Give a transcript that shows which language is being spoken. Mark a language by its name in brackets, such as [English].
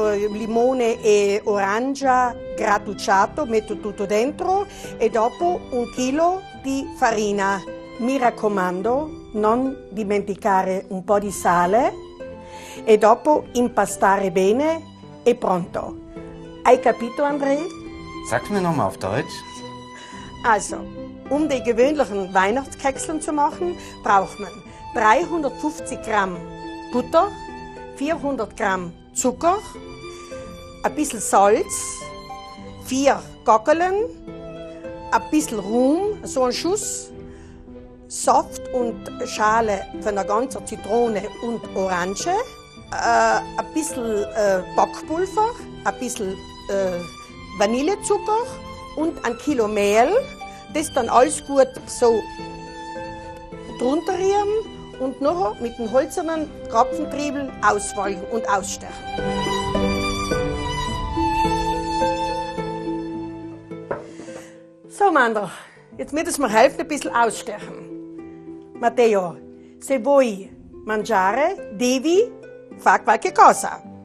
[Italian] limone e arancia grattugiato, metto tutto dentro e dopo un chilo di farina. Mi raccomando, non dimenticare un po' di sale e dopo impastare bene e pronto. Hai capito, André? [German] Sag's mir nochmal auf Deutsch. Also, die gewöhnlichen Weihnachtskekseln zu machen, braucht man 350 Gramm Butter, 400 Gramm Zucker, ein bisschen Salz, 4 Gockeln, ein bisschen Rum, so ein Schuss, Saft und Schale von einer ganzen Zitrone und Orange, ein bisschen Backpulver, ein bisschen Vanillezucker und ein Kilo Mehl, das dann alles gut so drunter rühren und noch mit dem hölzernen Krapfentriebel auswalken und ausstechen. So, Mandel, jetzt müssen wir helfen, ein bisschen ausstechen. [Italian] Matteo, se vuoi mangiare, devi fare qualche cosa.